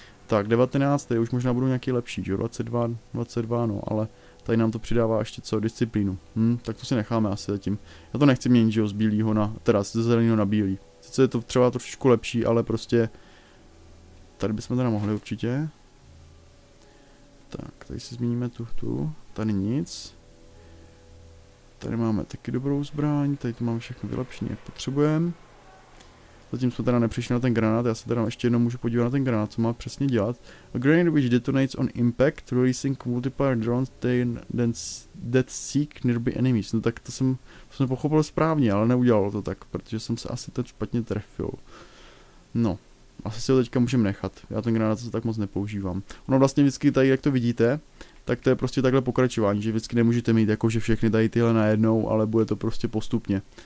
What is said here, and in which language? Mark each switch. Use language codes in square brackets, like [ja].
[cs] Tak 19, tady už možná budou nějaký lepší, že jo, 22, no, ale tady nám to přidává ještě co, disciplínu, tak to si necháme asi zatím, já to nechci měnit, že jo, z bílýho na, teda ze zeleného na bílý, sice je to třeba trošičku lepší, ale prostě, tady bychom teda mohli určitě, tak, tady si změníme tu, tady nic, tady máme taky dobrou zbraň, tady to máme všechno vylepšení, jak potřebujeme, Zatím jsme teda nepřišli na ten granát, já se teda ještě jednou můžu podívat na ten granát, co má přesně dělat. [en] A grenade which detonates on impact, releasing multiplier drones that seek nearby enemies. [cs] No tak to jsem pochopil správně, ale neudělalo to tak, protože jsem se asi tak špatně trefil. No, asi si ho teďka můžeme nechat, já ten granát se tak moc nepoužívám. Ono vlastně vždycky tady, jak to vidíte, tak to je prostě takhle pokračování, že vždycky nemůžete mít jakože všechny tady tyhle najednou, ale bude to prostě postupně.